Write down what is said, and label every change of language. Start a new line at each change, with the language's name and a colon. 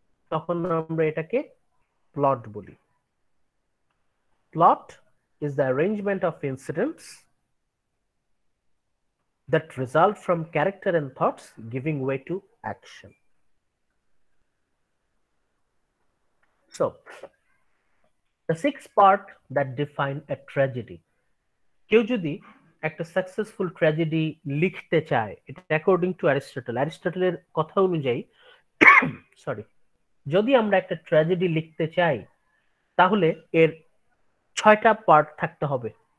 Bangla: তখন আমরা এটাকে প্লট বলি।
English: Plot is the arrangement of incidents that result from character and thoughts giving way to action. So, the sixth part that define a tragedy.
Bangla: কেউ যদি একটা successful tragedy লিখতে চায়, এটা
English: according to Aristotle,
Bangla: অ্যারিস্টটলের কথা অনুযায়ী, সরি, যদি আমরা একটা ট্র্যাজেডি লিখতে চাই তাহলে এর 6টা পার্ট থাকতে হবে।